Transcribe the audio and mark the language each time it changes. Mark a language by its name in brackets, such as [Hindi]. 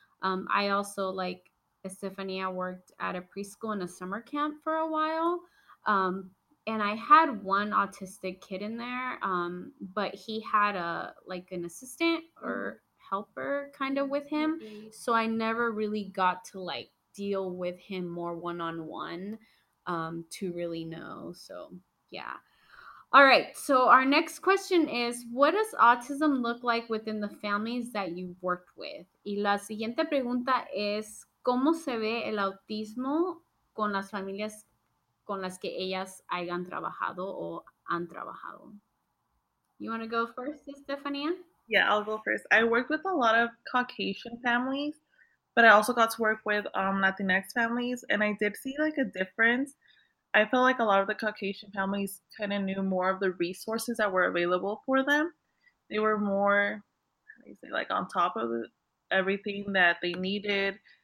[English] I also, like Estefania, worked at a preschool in a summer camp for a while, and I had one autistic kid in there, but he had a like an assistant or helper kind of with him, so I never really got to like deal with him more one-on-one to really know. So yeah. All right, so our next question is, what does autism look like within the families that you've worked with? [Spanish] Y la siguiente pregunta es, ¿cómo se ve el autismo con las familias con las que ellas hayan trabajado o han trabajado? [English] You want to go first, Estefania? Yeah, I'll go first. I worked with a lot of Caucasian families, but I also got to work with Latinx families, and I did see like a difference. I felt like a lot of the Caucasian families kind of knew more of the resources that were available for them. They were more, how do you say, like on top of everything that they needed.